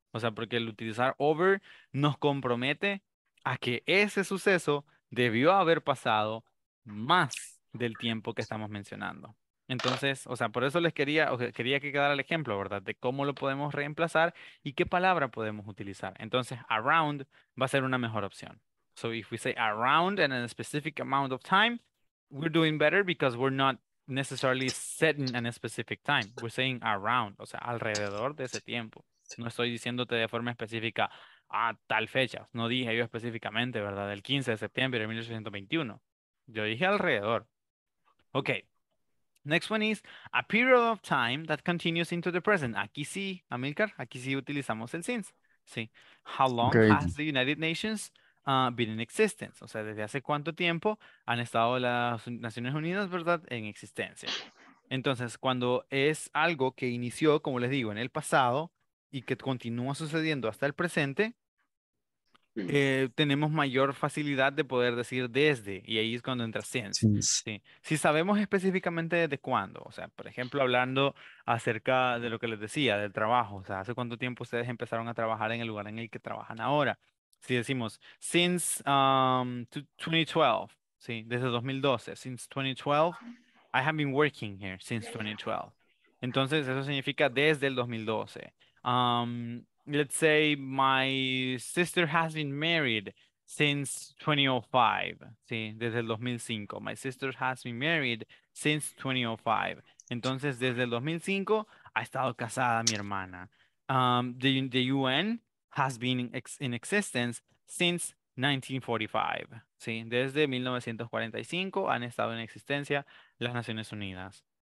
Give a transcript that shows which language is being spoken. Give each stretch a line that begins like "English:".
Spanish: O sea, porque el utilizar over nos compromete a que ese suceso debió haber pasado más del tiempo que estamos mencionando. Entonces, o sea, por eso les quería, o quería que quedara el ejemplo, ¿verdad? De cómo lo podemos reemplazar y qué palabra podemos utilizar. Entonces, around va a ser una mejor opción.
English: So if we say around in a specific amount of time, we're doing better because we're not necessarily setting a specific time. We're saying around,
Spanish: o sea, alrededor de ese tiempo. No estoy diciéndote de forma específica a tal fecha. No dije yo específicamente, ¿verdad? El 15 de septiembre de 1821. Yo dije alrededor. Okay.
English: Next one is a period of time that continues into the present.
Spanish: Aquí sí, Amilcar, aquí sí utilizamos el since. Sí.
English: How long has the United Nations been in existence,
Spanish: o sea, desde hace cuánto tiempo han estado las Naciones Unidas, ¿verdad?, en existencia. Entonces, cuando es algo que inició, como les digo, en el pasado y que continúa sucediendo hasta el presente, tenemos mayor facilidad de poder decir desde, y ahí es cuando entra since. Sí. Si sabemos específicamente desde cuándo, o sea, por ejemplo, hablando acerca de lo que les decía, del trabajo, o sea, hace cuánto tiempo ustedes empezaron a trabajar en el lugar en el que trabajan ahora. Si decimos, since 2012, ¿sí? Desde 2012,
English: since 2012, I have been working here since 2012.
Spanish: Entonces, eso significa desde el 2012.
English: Let's say my sister has been married since 2005, ¿sí?
Spanish: Desde el 2005.
English: My sister has been married since 2005.
Spanish: Entonces, desde el 2005, ha estado casada mi hermana.
English: The UN has been in existence since 1945. ¿Sí?
Spanish: Desde 1945 han estado en existencia las Naciones Unidas.